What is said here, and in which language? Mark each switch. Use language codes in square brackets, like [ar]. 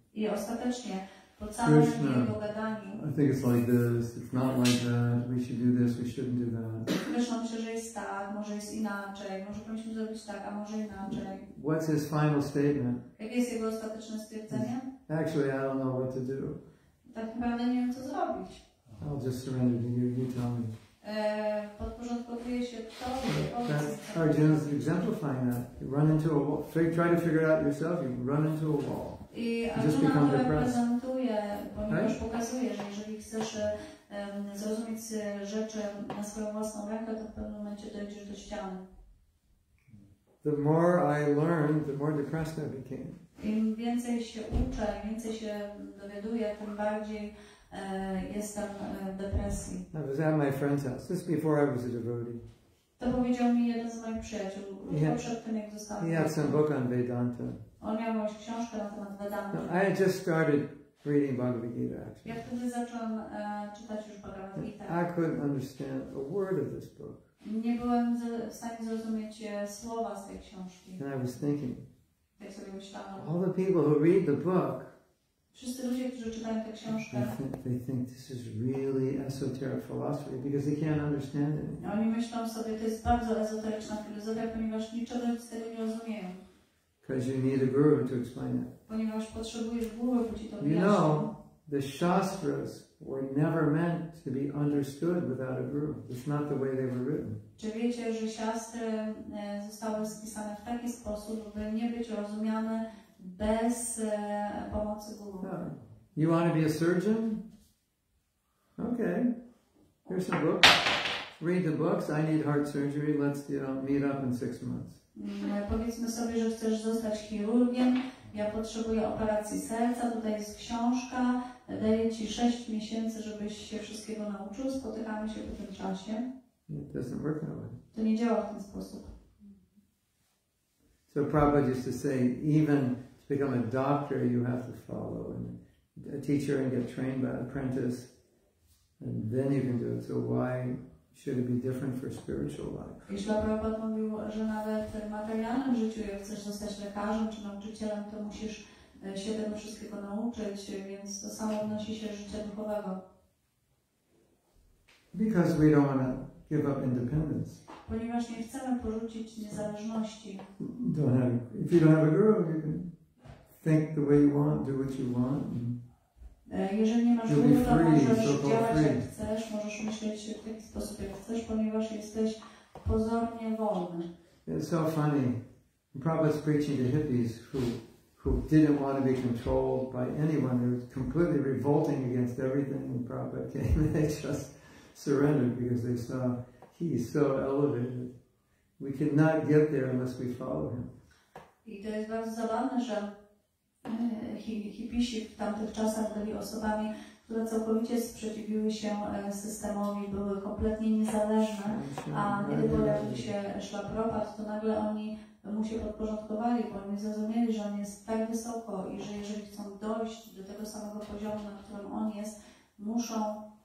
[pl] i ostatecznie, po całym jego gadaniu, [en] I think it's like this, it's not like that, we should do this, we shouldn't do that. [pl] Krishna myślę, że jest tak, może jest inaczej, może powinniśmy zrobić tak, a może inaczej. [en] What's his final statement? [pl] Jakie jest jego ostateczne stwierdzenie? [en] Actually, I don't know what to do. [pl] Tak naprawdę nie wiem, co zrobić. [en] I'll just surrender to you, you tell me. [pl] Podporządkowuje się to, co [en] Arjuna's exemplifying that. You run into a wall, try to figure it out yourself, you run into a wall. [pl] I Arjuna to reprezentuje, ponieważ pokazuje, że jeżeli chcesz zrozumieć rzeczy na swoją własną rękę, to w pewnym momencie dojdziesz do ściany. [en] The more I learned, the more depressed I became. [pl] Im więcej się uczę, im więcej się dowiaduję, tym bardziej jestem w depresji. [en] I was at my friend's house, just before I was a devotee. [pl] To powiedział mi jeden z moich przyjaciół, przed tym jak zostawił. [en] He had some book on Vedanta. [pl] On miał właśnie książkę na temat Vedanta. [en] No, I had just started reading Bhagavad Gita, actually. [pl] Ja wtedy zacząłem czytać już Bhagavad Gita. [en] I couldn't understand a word of this book. [pl] Nie byłem w stanie zrozumieć słowa z tej książki. [en] And I was thinking, [pl] tak sobie myślałem, [en] all the people who read the book, [pl] wszyscy ludzie, którzy czytają tę książkę, [en] they think this is really esoteric philosophy because they can't understand it. [pl] Oni myślą sobie, to jest bardzo ezoteryczna filozofia, ponieważ niczego z tego nie rozumieją. [en] Because you need a guru to explain it. [pl] Ponieważ potrzebujesz guru, by ci to wyjaśnił. [en] You know, the shastras were never meant to be understood without a guru. It's not the way they were written. [pl] Czy wiecie, że siastry zostały spisane w taki sposób, by nie być rozumiane bez pomocy guru? [en] Yeah. You want to be a surgeon? Okay. Here's some books. Read the books. I need heart surgery. Let's meet up in 6 months. [pl] Powiedzmy sobie, że chcesz zostać chirurgiem. Ja potrzebuję operacji serca. Tutaj jest książka. Daję ci 6 miesięcy, żebyś się wszystkiego nauczył. Spotykamy się w tym czasie. [en] It doesn't work that way. [pl] To nie działa w ten sposób. [en] So Prabhupada used to say, even to become a doctor, you have to follow and a teacher and get trained by an apprentice, and then you can do it. So why should it be different for spiritual life? [pl] I Śla Prabhupada mówił, że nawet w materialnym życiu, jak chcesz zostać lekarzem czy nauczycielem, to musisz się tego wszystkiego nauczyć, więc to samo odnosi się życia duchowego. [en] Because we don't want to give up independence. [pl] Ponieważ nie chcemy porzucić niezależności. [en] If you don't have a guru, you can think the way you want, do what you want. [pl] Jeżeli nie masz guru, to możesz działać jak chcesz, możesz myśleć w taki sposób jak chcesz, ponieważ jesteś pozornie wolny. [en] It's so funny. Prabhupada's preaching to hippies who didn't want to be controlled by anyone. They were completely revolting against everything when Prabhupada came. They just surrendered because they saw he's so elevated. We cannot get there unless we follow him. [pl] I to jest bardzo zabawne, że hipisi w tamtych czasach byli osobami, które całkowicie sprzeciwiły się systemowi, były kompletnie niezależne, a gdy pojawił się Śla Prabhupada, to nagle oni mu się podporządkowali, bo oni zrozumieli, że on jest tak wysoko i że jeżeli chcą dojść do tego samego poziomu, na którym on jest, muszą